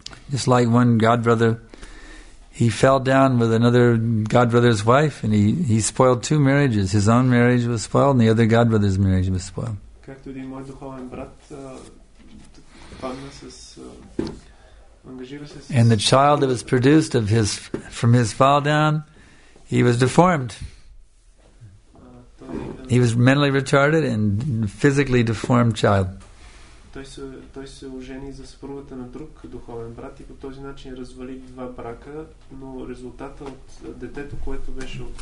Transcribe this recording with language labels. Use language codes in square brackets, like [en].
[en] Just like one godbrother, he fell down with another godbrother's wife, and he spoiled two marriages. His own marriage was spoiled, and the other godbrother's marriage was spoiled. [bg] Както един мой духовен брат падна с ангажира се с... [en] And the child that was produced of his from his fall down, he was deformed. He was mentally retarded and physically deformed child. [bg] Той се ожени за съпругата на друг духовен брат и по този начин развали два брака, но резултата от детето, което беше от...